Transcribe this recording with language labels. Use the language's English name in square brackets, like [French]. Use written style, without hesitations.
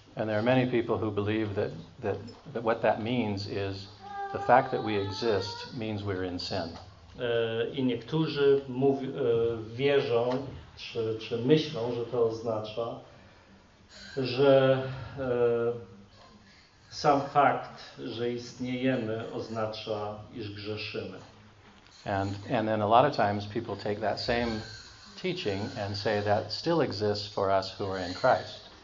[English] And there are many people who believe that what that means is the fact that we exist means we're in sin. [Polish] I niektórzy wierzą, czy myślą, że to oznacza, że sam fakt, że istniejemy, oznacza, iż grzeszymy. [English] And then a lot of times people take that same teaching and say that still exists for us who are in Christ.